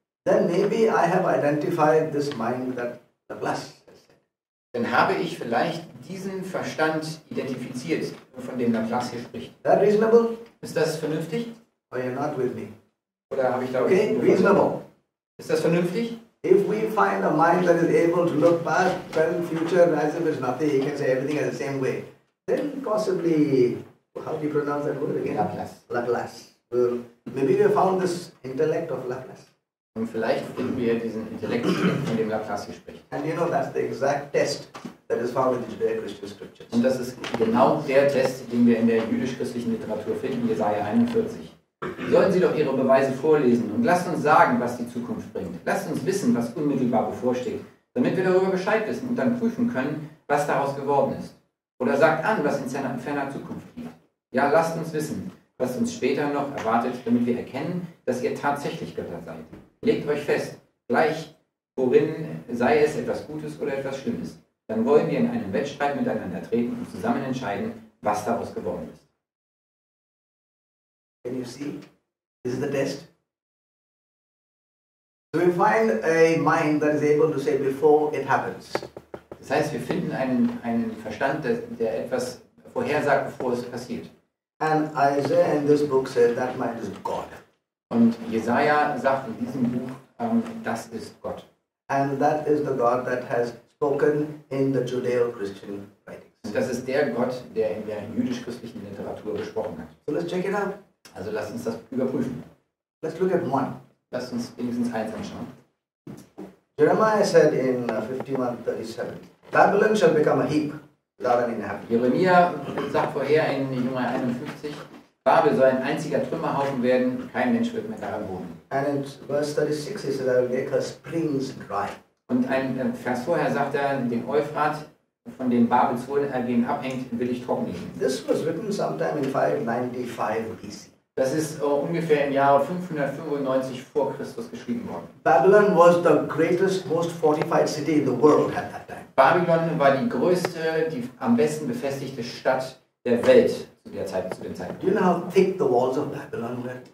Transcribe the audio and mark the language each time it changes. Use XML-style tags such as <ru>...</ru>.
<en>Then maybe I have identified this mind that the Laplace.</en> <de>Dann habe ich vielleicht diesen Verstand identifiziert, von dem Laplace hier spricht.</de> <en>That reasonable?</en> <de>Ist das vernünftig?</de> <en>Are you not with me?</en> <de>Oder habe ich da</de> <en>okay, reasonable.</en> <de>Ist das vernünftig?</de> <en>If we find a mind that is able to look past, present, future, as if it's nothing, he can say everything in the same way, then possibly, how do you pronounce that word again? Laplace. Laplace. Well, maybe we found this intellect of Laplace.</en> <de>Und vielleicht finden wir diesen Intellekt, von dem Laplace hier spricht.</de> <en>And you know, that's the exact test that is found in the Judeo-Christian scriptures.</en> <de>Und das ist genau der Test, den wir in der jüdisch-christlichen Literatur finden, Jesaja 41. Sollen Sie doch Ihre Beweise vorlesen und lasst uns sagen, was die Zukunft bringt. Lasst uns wissen, was unmittelbar bevorsteht, damit wir darüber Bescheid wissen und dann prüfen können, was daraus geworden ist. Oder sagt an, was in ferner Zukunft liegt. Ja, lasst uns wissen, was uns später noch erwartet, damit wir erkennen, dass ihr tatsächlich Götter seid. Legt euch fest, gleich worin sei es etwas Gutes oder etwas Schlimmes. Dann wollen wir in einen Wettstreit miteinander treten und zusammen entscheiden, was daraus geworden ist.</de> <en>Can you see? This is the test. So we find a mind that is able to say before it happens.</en> <de>Das heißt, wir finden einen Verstand, der etwas vorhersagt, bevor es passiert.</de> <en>And Isaiah in this book said that mind is God.</en> <de>Und Jesaja sagt in diesem Buch, das ist Gott.</de> <en>And that is the God that has spoken in the Judeo-Christian writings.</en> <de>Und das ist der Gott, der in der jüdisch-christlichen Literatur gesprochen hat.</de> <en>So let's check it out.</en> <de>Also lass uns das überprüfen.</de> <en>Let's look at one.</en> <de>Lass uns wenigstens eins anschauen.</de> <en>Jeremiah said in 51:37, Babylon shall become a heap without an inhabitant.</en> <de>Jeremia sagt vorher in Jeremiah 51, Babel soll ein einziger Trümmerhaufen werden, kein Mensch wird mehr daran wohnen.</de> <en>And in verse 36 he said, I will make her springs dry.</en> <de>Und ein Vers vorher sagt er, den Euphrat, von dem Babels Wohlergehen abhängt, will ich trocken liegen.</de> <en>This was written sometime in 595 BC.</en> <de>Das ist ungefähr im Jahr 595 vor Christus geschrieben worden.</de> <en>Babylon was the greatest, most fortified city in the world at that time.</en> <de>Babylon war die größte, die am besten befestigte Stadt der Welt zu der Zeit, zu dem Zeitpunkt.</de> <en>Do you know how thick the walls of Babylon were?</en>